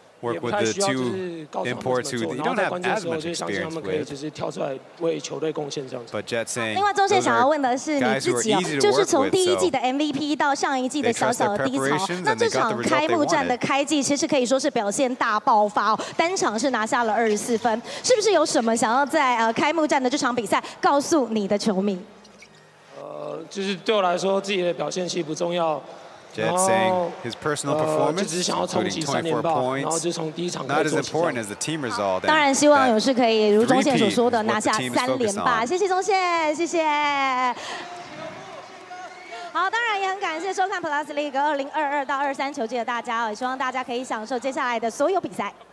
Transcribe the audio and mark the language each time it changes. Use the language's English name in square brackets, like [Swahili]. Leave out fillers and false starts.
[English] work with the two imports who they don't have as much experience with. But Jet saying, those are guys who are easy to work with, so they trust their preparations and they got the result they wanted. [Chinese] 其实可以说是表现大爆发哦，单场是拿下了24分，是不是有什么想要在开幕战的这场比赛告诉你的球迷？就是对我来说，自己的表现其实不重要。 [English] Jet saying his personal performance, including 24 points, not as important as the team result. [Chinese] 当然希望勇士可以如中宪所说的拿下三连霸。谢谢中宪，谢谢。好，当然也很感谢收看 Plus League 2022-23球季的大家，也希望大家可以享受接下来的所有比赛。